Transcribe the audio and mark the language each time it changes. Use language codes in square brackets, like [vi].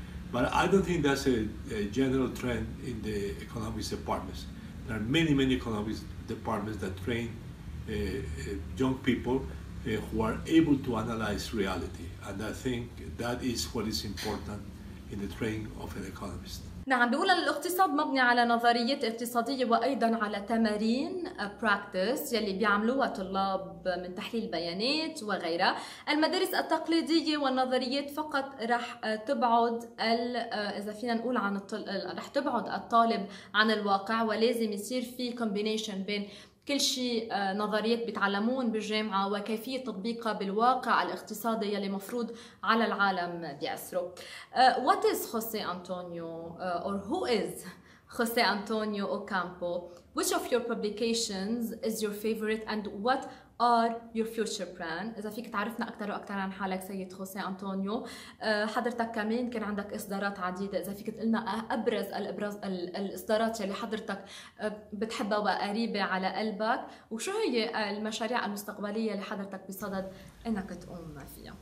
[en] But I don't think that's a general trend in the economics departments. There are many, many economics departments that train young people who are able to analyze reality. And I think that is what is important in the training of an economist. [ar] نعم، بيقول الاقتصاد مبني على نظريات اقتصادية وأيضا على تمارين practice يلي بيعملوها طلاب من تحليل بيانات وغيرها. المدارس التقليدية والنظريات فقط رح تبعد إذا فينا نقول عن رح تبعد الطالب عن الواقع، ولازم يصير في combination بين كل شيء نظريات بيتعلمون بالجامعة وكيفية تطبيقها بالواقع الاقتصادي يلي مفروض على العالم بيأثره. [en] What is José Antonio or who is José Antonio Ocampo? Which of your publications is your favorite and what are your future plan؟ [ar] إذا فيك تعرفنا أكثر وأكثر عن حالك سيد José Antonio، حضرتك كمان كان عندك إصدارات عديدة، إذا فيك تقلنا أبرز الإصدارات اللي حضرتك بتحبها وقريبة على قلبك، وشو هي المشاريع المستقبلية اللي حضرتك بصدد إنك تقوم فيها؟